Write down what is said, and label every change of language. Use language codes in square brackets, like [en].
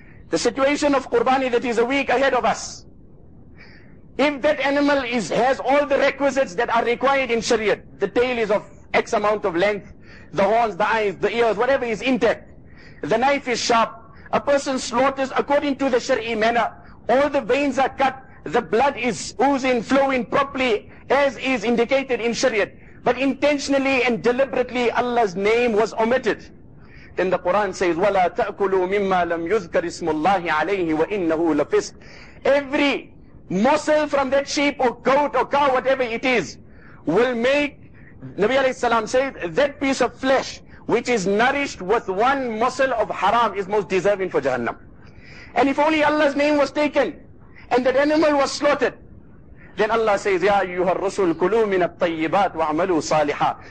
[en] The situation of Qurbani that is a week ahead of us. If that animal has all the requisites that are required in Shariat, the tail is of X amount of length, the horns, the eyes, the ears, whatever is intact, the knife is sharp, a person slaughters according to the Shari'i manner, all the veins are cut, the blood is oozing, flowing properly as is indicated in Shariat, but intentionally and deliberately Allah's name was omitted. And the Quran says, [ar] وَلَا تَأْكُلُوا مِمَّا لَمْ يُذْكَرِ اسْمُ اللَّهِ عَلَيْهِ وَإِنَّهُ لَفِسْقٌ. [en] Every morsel from that sheep or goat or cow, whatever it is, will make, Nabi alayhi salam says, that piece of flesh which is nourished with one morsel of haram is most deserving for Jahannam. And if only Allah's name was taken and that animal was slaughtered, then Allah says, [ar] Ya ayyuhar rusul kulu min at-tayyibat wa'malu saliha.